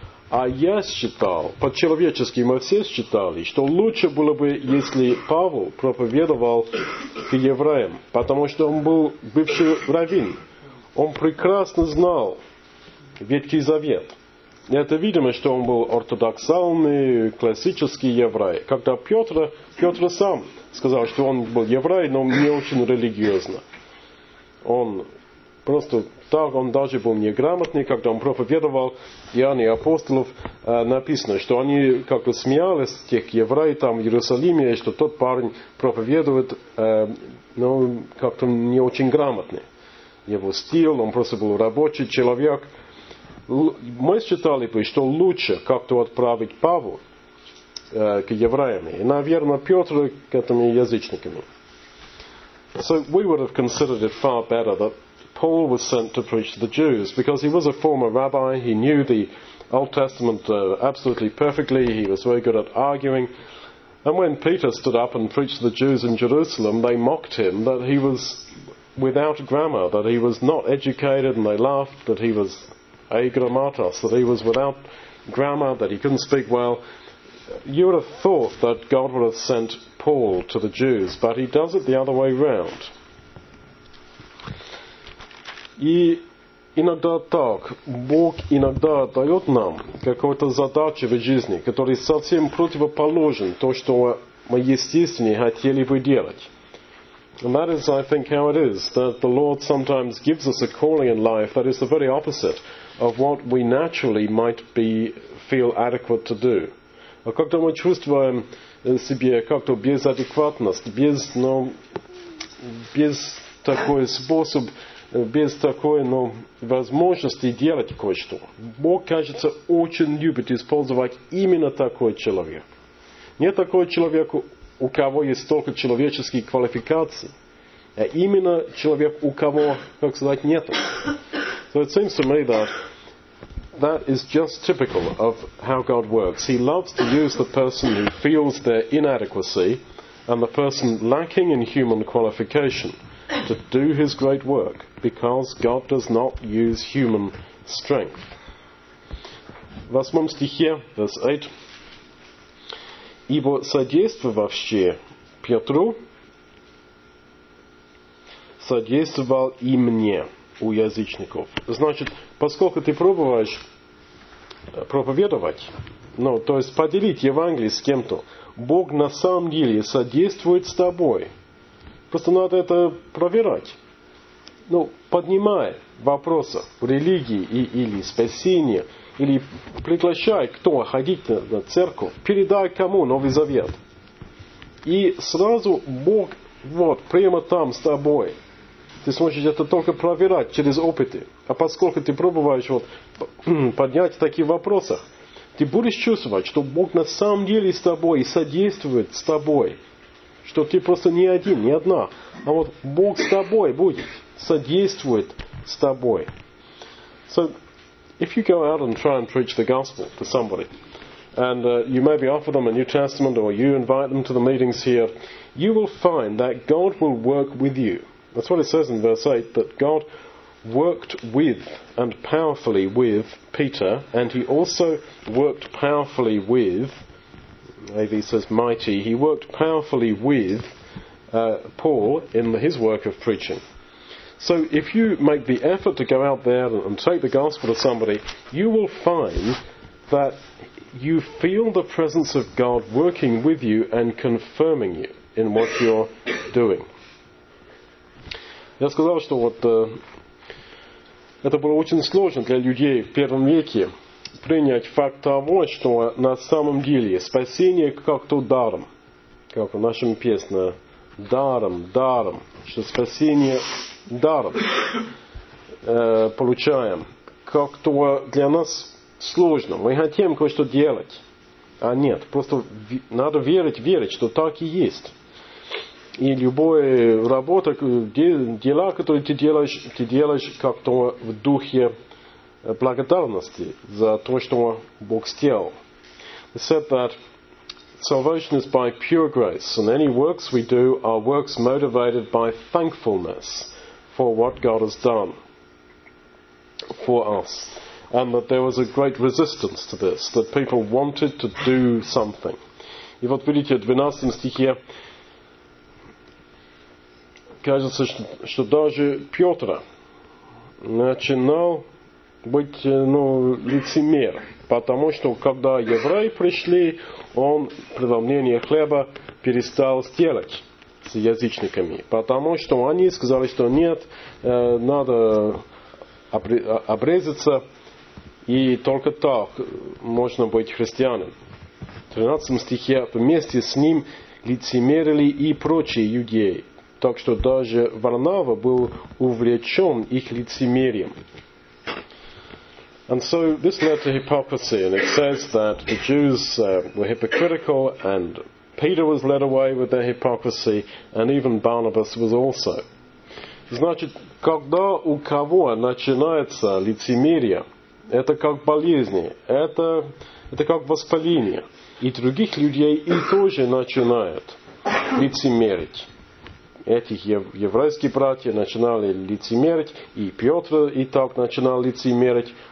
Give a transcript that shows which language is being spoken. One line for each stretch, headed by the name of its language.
Russian: А я считал, по-человечески мы все считали, что лучше было бы, если Павел проповедовал к евреям, потому что он был бывший раввин. Он прекрасно знал Ветхий Завет. Это видимо, что он был ортодоксальный, классический еврей. Когда Петр сам сказал, что он был еврей, но не очень религиозно. Он просто так, он даже был неграмотный, когда он проповедовал Иоанна и апостолов, написано, что они как-то смеялись, тех евреев там в Иерусалиме, что тот парень проповедует, но как-то не очень грамотный. Его стиль, он просто был рабочий человек. Мы считали бы, что лучше как-то отправить Павла к евреям, и, наверное, Петра к этим язычникам.
English: So we would have considered it far better that Paul was sent to preach to the Jews, because he was a former rabbi, he knew the Old Testament absolutely perfectly, he was very good at arguing. And when Peter stood up and preached to the Jews in Jerusalem, they mocked him that he was without grammar, that he was not educated, and they laughed that he was agrammatos, that he was without grammar, that he couldn't speak well. You would have thought that God would have sent Paul to the Jews, but he does it the other way round.
Russian: И иногда так, Бог иногда дает нам какую-то задачу в жизни, которая совсем противоположна то, что мы естественно хотели бы делать.
English: And that is, I think, how it is, that the Lord sometimes gives us a calling in life that is the very opposite of what we naturally might be feel adequate to do.
Russian: А когда мы чувствуем себя как-то без адекватности, без, ну, без такой способ, без такой, ну, возможности делать кое-что, Бог, кажется, очень любит использовать именно такой человек. Не такой человек, у кого есть только человеческие квалификации, а именно человек, у кого, как сказать, нет.
English: So it seems to me that that is just typical of how God works. He loves to use the person who feels their inadequacy and the person lacking in human qualification to do his great work, because God does not use human strength.
Russian: Восьмом стихе,
English: verse 8.
Russian: Ибо содействовавши Петру, содействовал и мне у язычников. Значит, поскольку ты пробуешь проповедовать, ну, то есть поделить Евангелие с кем-то, Бог на самом деле содействует с тобой. Просто надо это проверять. Ну, поднимай вопросы религии или спасения, или приглашай кто ходить на церковь, передай кому Новый Завет. И сразу Бог вот прямо там с тобой. Ты сможешь это только проверять через опыты. А поскольку ты пробуешь вот поднять такие вопросы, ты будешь чувствовать, что Бог на самом деле с тобой и содействует с тобой. Что ты просто не один, не одна. А вот Бог с тобой будет, содействует с тобой.
English: So, if you go out and try and preach the gospel to somebody, and you maybe offer them a New Testament, or you invite them to the meetings here, you will find that God will work with you. That's what it says in verse 8, that God worked with and powerfully with Peter, and he also worked powerfully with, maybe it says mighty, he worked powerfully with Paul in his work of preaching. So if you make the effort to go out there and take the gospel to somebody, you will find that you feel the presence of God working with you and confirming you in what you're doing.
Russian: Я сказал, что вот это было очень сложно для людей в первом веке принять факт того, что на самом деле спасение как-то даром, как в нашем песне, даром, даром, что спасение даром получаем. Как-то для нас сложно. Мы хотим кое-что делать, а нет, просто надо верить, верить, что так и есть. И любая работа, дела, которые ты делаешь как-то в духе благодарности за то, что Бог сделал.
English: He said that salvation is by pure grace, and any works we do are works motivated by thankfulness for what God has done for us. And that there was a great resistance to this, that people wanted to do something.
Russian: И вот видите, в 12 стихе кажется, что даже Петр начинал быть лицемер, потому что когда евреи пришли, он преломление хлеба перестал сделать с язычниками, потому что они сказали, что нет, надо обрезаться, и только так можно быть христианином. В 13 стихе вместе с ним лицемерили и прочие иудеи. Так что даже Варнава был увлечен их лицемерием.
English: And so this led to hypocrisy, and it says that the Jews were hypocritical, and Peter was led away with their hypocrisy, and even Barnabas was also.
Russian: Значит, когда у кого начинается лицемерие, это как болезни, это как воспаление, и других людей и тоже начинают лицемерить. Эти еврейские братья начинали лицемерить, и Петр и так начинал лицемерить.